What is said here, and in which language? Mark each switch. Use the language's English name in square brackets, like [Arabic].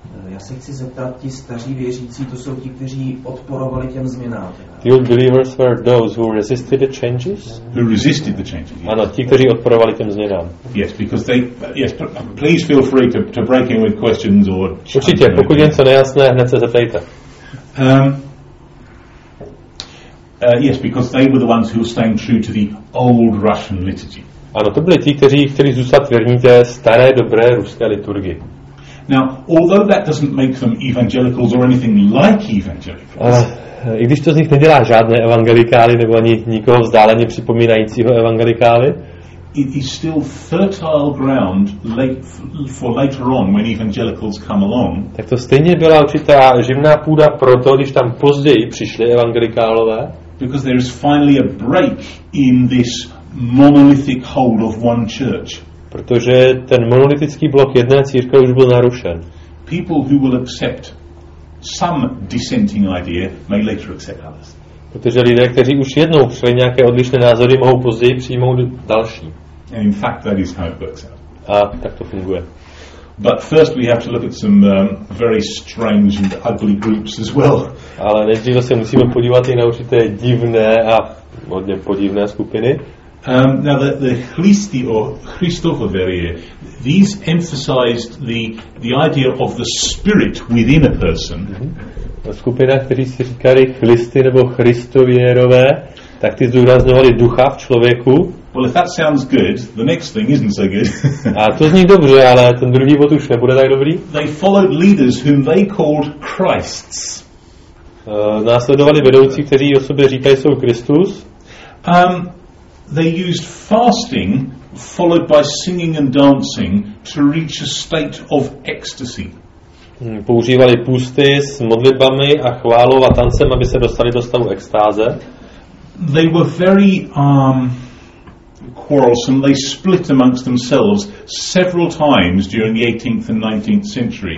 [Czech] Já se chci zeptat, ti staří věřící, to jsou ti, kteří odporovali těm změnám. [English] The old believers were those who resisted the changes. Who resisted the changes? Yes. [Czech] Ano, ti, kteří odporovali těm změnám. [English] Yes, because they. Yes, please feel free to break in with questions or. [Czech] Určitě, pokud je něco nejasné, hned se zeptejte. [English] Yes, because they were the ones who were staying true to the old Russian liturgy. [Czech] Ano, to byli ti, kteří chtěli zůstat věrní té staré dobré ruské liturgii. [English] Now, although that doesn't make them evangelicals or anything like evangelicals. [Czech] I když to z nich nedělá žádné evangelikály nebo ani nikoho vzdáleně připomínajícího evangelikály. [English] It is still fertile ground for later on when evangelicals come along. [Czech] Tak to stejně byla určitá živná půda pro to, když tam později přišli evangelikálové. [English] Because there is finally a break in this monolithic hold of one church. [Czech] Protože ten monolitický blok jedné církve už byl narušen. [English] People who will accept some dissenting idea may later accept others. [Czech] Protože lidé, kteří už jednou přijali nějaké odlišné názory, mohou později přijmout další. [English] And in fact, that is how it works out. [Czech] A tak to funguje. [English] But first we have to look at some very strange and ugly groups as well. [Czech] Ale nejdřív se musíme podívat i na určité divné a hodně podivné skupiny. [English] Now the Christi or Christophoverie, these emphasized the idea of the spirit within a person. Mm-hmm. [Czech] Skupina, kteří si říkali Christi nebo Christověrové, tak ty zdůrazňovali ducha v člověku. [English] Well, if that sounds good, the next thing isn't so good. [Czech] A to zní dobře, ale ten druhý bod už nebude tak dobrý. [English] They followed leaders whom they called Christs. [Czech] Následovali vedoucí, kteří o sobě říkají, jsou Kristus. [English] They used fasting followed by singing and dancing to reach a state of ecstasy. [Czech] Používali půsty s modlitbami a chválou a tancem, aby se dostali do stavu extáze. [English] They were very quarrelsome. They split amongst themselves several times during the 18th and 19th century.